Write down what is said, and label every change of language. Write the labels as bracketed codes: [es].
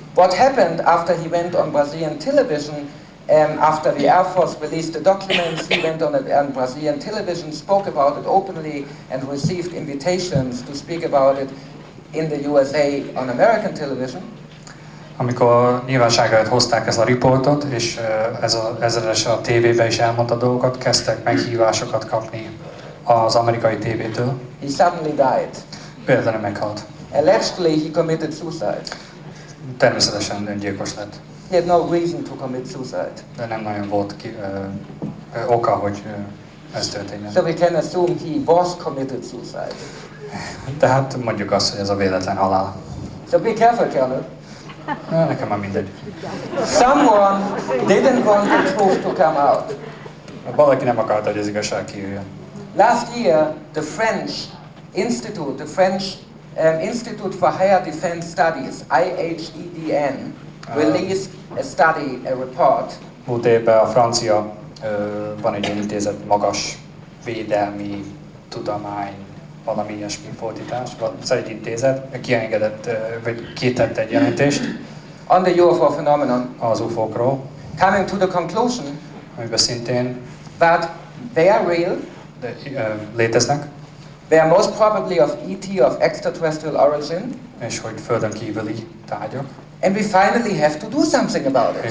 [en] What happened after he went on Brazilian television, after the Air Force released the documents, he went on Brazilian television, spoke about it openly, and received invitations to speak about it in the USA on American television. [hu] Amikor nyilvánosságra hozták ez a riportot, és ezredes a tévébe is elmondta dolgokat, kezdtek meghívásokat kapni az amerikai tévétől. [en] He suddenly died. [hu] Véletlenül meghalt. [en] Allegedly he committed suicide. [hu] Természetesen öngyilkos lett. [en] He had no reason to commit suicide. [hu] De nem nagyon volt oka, hogy ez történjen. [en] So we can assume he was committed suicide. [hu] Tehát mondjuk azt, hogy ez a véletlen halál. [en] So be careful, Keller. [hu] Nekem már mindegy. [en] Someone didn't want the truth to come out. [hu] Valaki nem akarta, hogy ez igazság kijöjjön. [en] Last year, the French Institute, Institute for Higher Defense Studies, IHEDN, released a study, a report. [hu] Múlt évben a francia van egy intézet, magas védelmi tudomány, valami ilyesmi fordítás, szóval egy intézet, kiengedett, vagy kitett egy jelentést. [en] On the UFO phenomenon. [hu] Az UFO-król. [en] Coming to the conclusion. [hu] Amiben szintén. [en] That they are real. [hu] De, léteznek. [en] They are most probably of ET, of extraterrestrial origin. [hu] És hogy földön kívüli tárgyak. [en] And we finally have to do something about it.